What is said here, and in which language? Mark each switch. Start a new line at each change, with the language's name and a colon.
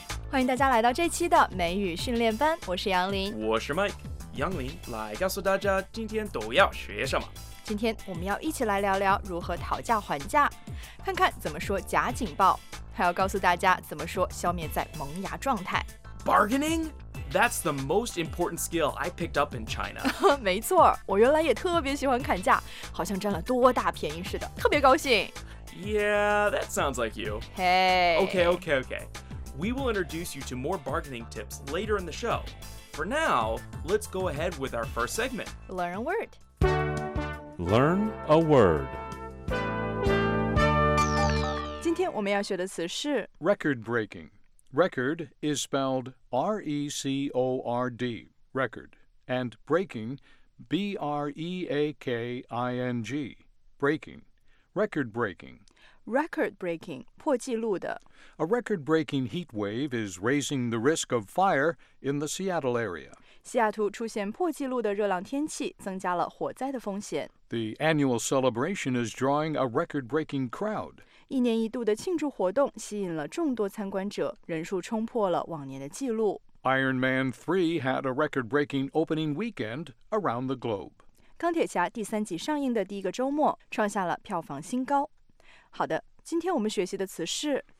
Chinese: 欢迎大家来到这期的美语训练班，我是杨林，我是 Mike。杨林来告诉大家今天都要学什么。今天我们要一起来聊聊如何讨价还价，看看怎么说假警报，还要告诉大家怎么说消灭在萌芽状态。
English: Bargaining? That's the most important skill I picked up in China.
Chinese: 没错，我原来也特别喜欢砍价，好像占了多大便宜似的，特别高兴。
English: Yeah, that sounds like you. Hey. Okay, okay, okay. We will introduce you to more bargaining tips later in the show. For now, let's go ahead with our first segment. Learn a word. Learn a word.
Chinese: 今天我们要学的词是
English: record breaking. Record is spelled R-E-C-O-R-D, record, and breaking, B-R-E-A-K-I-N-G, breaking, record breaking.
Chinese: Record breaking, 破纪录的。
English: A record breaking heat wave is raising the risk of fire in the Seattle area.
Chinese: 西雅图出现破纪录的热浪天气，增加了火灾的风险。
English: The annual celebration is drawing a record breaking crowd.
Chinese: 一年一度的庆祝活动吸引了众多参观者，人数冲破了往年的记录。
English: Iron Man 3 had a record-breaking opening weekend around the globe.
Chinese: 钢铁侠第三集上映的第一个周末创下了票房新高。好的，今天我们学习的词是